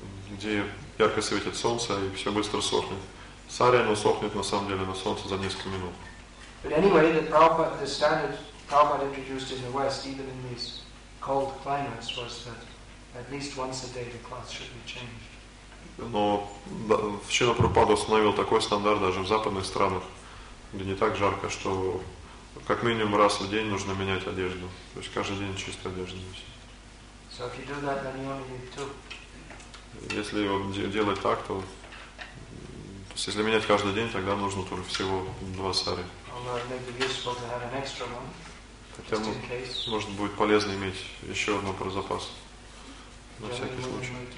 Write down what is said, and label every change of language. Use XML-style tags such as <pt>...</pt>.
<ru>Где ярко светит солнце и все быстро сохнет. Сари, оно сохнет на самом деле на солнце за несколько минут.</ru> <en>But anyway, the standard Prabhupada introduced in the West, even in these cold climates, was that at least once a day the cloth should be changed.</en> <ru>Но Шрила Прабхупада установил такой стандарт даже в западных странах, где не так жарко, что как минимум раз в день нужно менять одежду. То есть каждый день чистую одежду носить.</ru> <en>So if you do that, then you only need two.</en> <ru>Если вот делать так, то, если менять каждый день, тогда нужно только всего два сари. Хотя, может, будет полезно иметь еще одно про запас. На всякий случай.</ru>